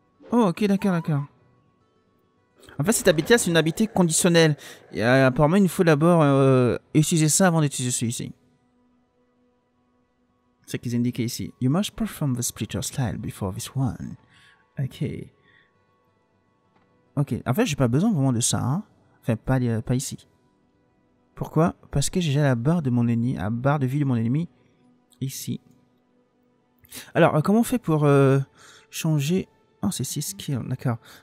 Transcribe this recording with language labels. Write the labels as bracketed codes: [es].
[fr] Oh, ok, d'accord. En fait, cette habité, c'est une habité conditionnelle. Et apparemment, il faut d'abord utiliser ça avant d'utiliser celui-ci. C'est ce qu'ils indiquent ici. [en] You must perform the splitter style before this one. Ok. [fr] Ok, en fait, j'ai pas besoin vraiment de ça. Hein. Enfin, pas ici. Pourquoi? Parce que j'ai déjà la barre de mon ennemi, la barre de vie de mon ennemi, ici. Alors, comment on fait pour changer... Oh, c'est 6 skills, d'accord.